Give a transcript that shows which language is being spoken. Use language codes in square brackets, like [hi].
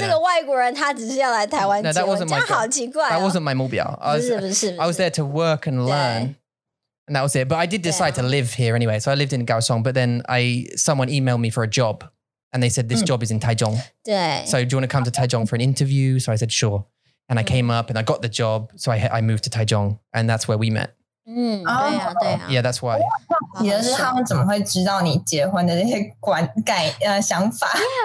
[zh] 这个外国人他只是要来台湾结婚、 [en] no, [zh] 这样好奇怪、哦、 [en] That wasn't my 目标 [zh] 不是 [en] I was there to work and learn And that was it But I did decide、yeah. to live here anyway So I lived in Kaohsiung But then someone emailed me for a jobAnd they said, this job is in Taichung. So do you want to come to Taichung for an interview? So I said, sure. And I came up and I got the job. So I moved to Taichung. And that's where we met. Yeah, that's why. [zh] 也就是他们怎么会知道你结婚的这些想法。